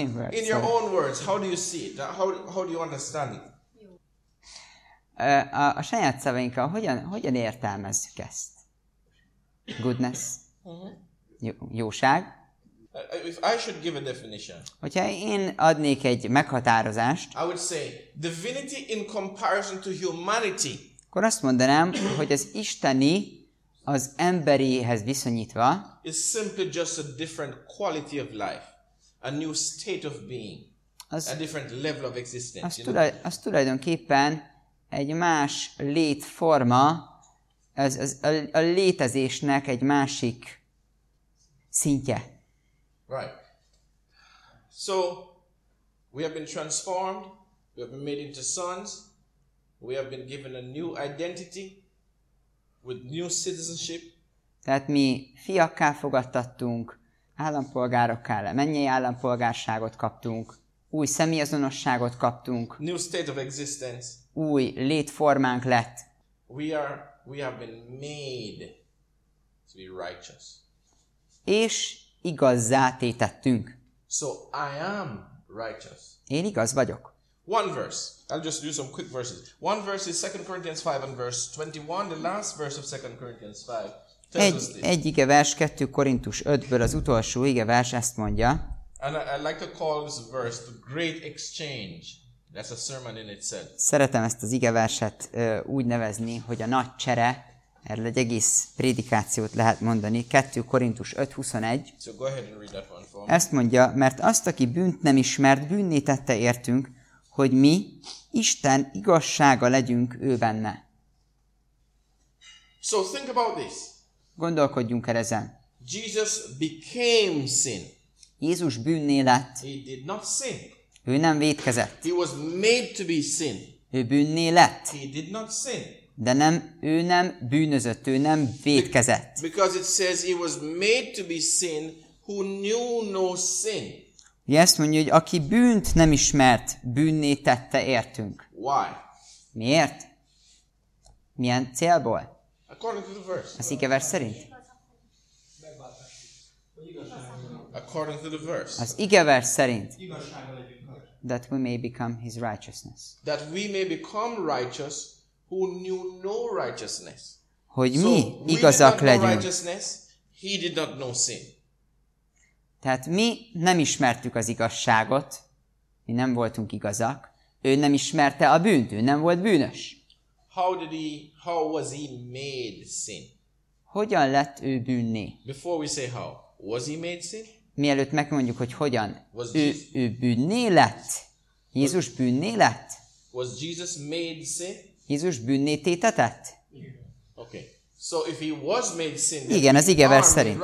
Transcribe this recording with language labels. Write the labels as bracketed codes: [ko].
[en] In your own words, how do you see it? How do you understand it? [hu] A saját szavainkkal hogyan értelmezzük ezt? [en] Goodness. Jóság. If I should give a definition. [hu] Hogyha én adnék egy meghatározást. [en] I would say divinity in comparison to humanity. [hu] Akkor azt mondanám, hogy az isteni az emberihez viszonyítva [en] is simply just a different quality of life, a new state of being, a different level of existence. [hu] Az tulajdonképpen egy más létforma, a létezésnek egy másik szintje. [en] Right. So we have been transformed, we have been made into sons, we have been given a new identity with new citizenship. [hu] Tehát mi fiakká fogadtattunk, állampolgárokká, mennyi állampolgárságot kaptunk, új személyazonosságot kaptunk. [en] New state of existence. [hu] Új létformánk lett. [en] We have been made to be righteous. [hu] És igazzá tétettünk. [en] So I am righteous. [hu] Én igaz vagyok. [en] One verse. I'll just do some quick verses. One verse is 2 Corinthians 5 and verse 21. The last verse of 2 Corinthians 5. [hu] Egy ige vers 2 Korintus 5-ből az utolsó ige vers ezt mondja. [en] And I like to call this verse the great exchange. That's a sermon in itself. [hu] Szeretem ezt az igeverset úgy nevezni, hogy a nagy csere, erről egy egész prédikációt lehet mondani, 2 Korintus 5:21. [en] So go ahead and read that one for me. [hu] Ezt mondja, mert azt, aki bűnt nem ismert, bűnné tette értünk, hogy mi Isten igazsága legyünk ő benne. [en] So think about this. [hu] Gondolkodjunk el ezen. [en] Jesus became sin. [hu] Jézus bűnné lett. [en] He did not sin. [hu] Ő nem vétkezett. [en] He was made to be sin. [hu] Ő bűnné lett. [en] He did not sin. [hu] De nem, ő nem bűnözött, ő nem vétkezett. [en] Because it says he was made to be sin who knew no sin. [hu] Ugye ezt mondja, hogy aki bűnt nem ismert, bűnné tette értünk. [en] Why? [hu] Miért? Milyen célból? [en] According to the verse. [hu] Az igevers szerint? [en] According to the verse. [hu] Az igevers szerint? Igazsága legyünk. [en] That we may become his righteousness. That we may become righteous who knew no righteousness. [hu] Hogy mi igazak legyünk. [en] He did not know sin. [hu] Tehát mi nem ismertük az igazságot, mi nem voltunk igazak, ő nem ismerte a bűnt, ő nem volt bűnös. [en] How was he made sin? [hu] Hogyan lett ő bűnné? [en] Before we say how, was he made sin? [hu] Mielőtt megmondjuk, hogy hogyan. Ő bűnné lett? Jézus bűnné lett? [en] Was Jesus made sin? [hu] Jézus bűnné tétetett? [en] Okay. So if he was made sin, [hu] igen, az igevers szerint.